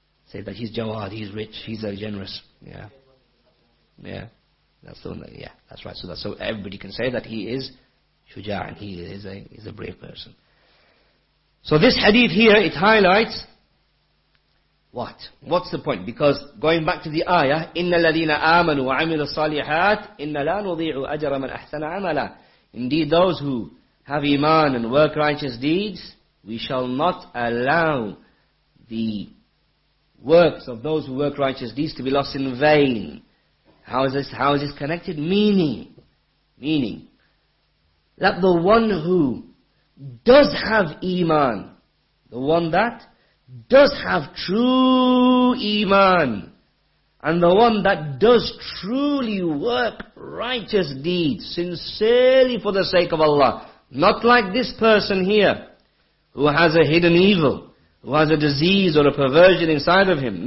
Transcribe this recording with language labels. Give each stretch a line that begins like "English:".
English: Say that he's jawad, he's rich, he's a generous, yeah. Yeah, that's the one, that, yeah, that's right. So everybody can say that he is shuja, and he is a brave person. So this hadith here, it highlights what? What's the point? Because going back to the ayah,
Arabic: إِنَّ الَّذِينَ آمَنُوا وَعَمِلُوا الصَّالِحَاتِ إِنَّ لَا نُضِيعُ أَجَرَ مَنْ أَحْسَنَ عَمَلًا.
English: Indeed, those who have iman and work righteous deeds, we shall not allow the works of those who work righteous deeds to be lost in vain. How is this connected? Meaning that the one who does have iman, the one that does have true iman, and the one that does truly work righteous deeds sincerely for the sake of Allah, not like this person here who has a hidden evil, who has a disease or a perversion inside of him.